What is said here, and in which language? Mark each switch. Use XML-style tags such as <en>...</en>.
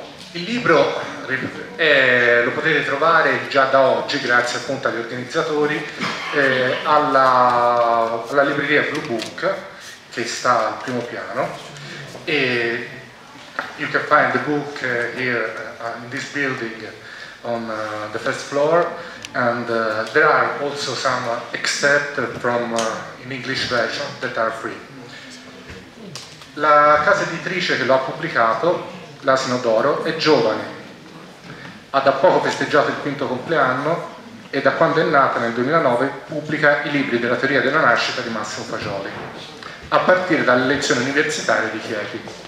<it>Il libro lo potete trovare già da oggi, grazie appunto agli organizzatori, alla libreria Blue Book, che sta al primo piano. E</it> <en>you can find the book here in this building on the first floor, and there are also some excerpt from in English version that are free.</en> <it>La casa editrice che lo ha pubblicato, l'Asino d'Oro, è giovane. Ha da poco festeggiato il quinto compleanno e da quando è nata nel 2009 pubblica i libri della teoria della nascita di Massimo Fagioli, a partire dalle lezioni universitarie di Chieti.</it>